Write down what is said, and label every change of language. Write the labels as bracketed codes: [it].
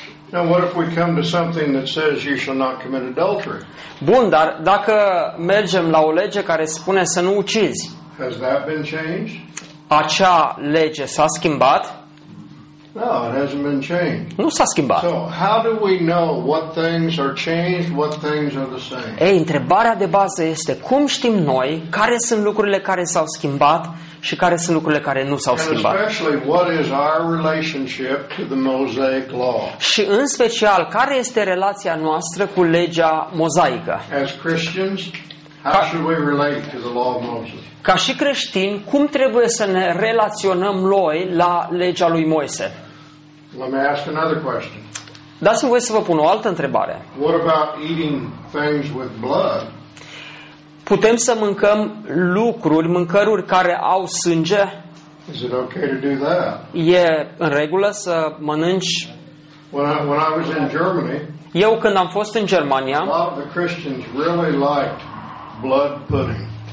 [en] Now what if we come to something that says you shall not commit adultery? [ro] Bun, dar dacă mergem la o lege care spune să nu ucizi. [en] Has that been changed? [ro] acea lege s-a schimbat? [en] No, it hasn't been changed. [ro] Nu s-a schimbat. [en] So, how do we know what things are changed, what things are the same? [ro] Ei, întrebarea de bază este cum știm noi care sunt lucrurile care s-au schimbat și care sunt lucrurile care nu s-au schimbat? [en] Especially, what is our relationship to the Mosaic law? [ro] Și în special, care este relația noastră cu legea mozaică? [en] As Christians, how should we relate to the law of Moses? [ro] Ca și creștini, cum trebuie să ne relaționăm noi la legea lui Moise? [en] Let me ask another question. [ro] Dați-mi voie să vă pun o altă întrebare. [en] What about eating things with blood? [ro] Putem să mâncăm lucruri, mâncăruri care au sânge? [en] Is it okay to do that? [ro] E în regulă să mănânci? [en] When I was in Germany, [ro] eu când am fost în Germania, [en] a lot of the Christians really liked blood pudding.